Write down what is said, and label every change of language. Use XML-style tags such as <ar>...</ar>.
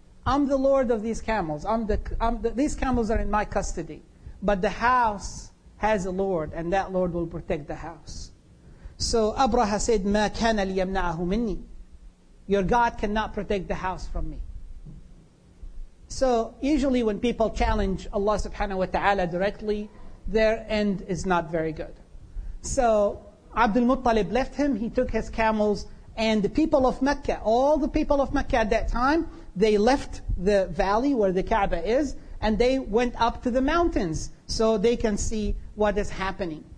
<en>I'm the lord of these camels. These camels are in my custody. But the house has a lord, and that lord will protect the house. So Abraha said,</en> <ar>مَا كَانَ لِيَمْنَعَهُ مِنِّي.</ar> <en>Your God cannot protect the house from me. So usually when people challenge Allah subhanahu wa ta'ala directly, their end is not very good. So Abdul Muttalib left him, he took his camels, and the people of Mecca, all the people of Mecca at that time, they left the valley where the Kaaba is, and they went up to the mountains so they can see what is happening.</en>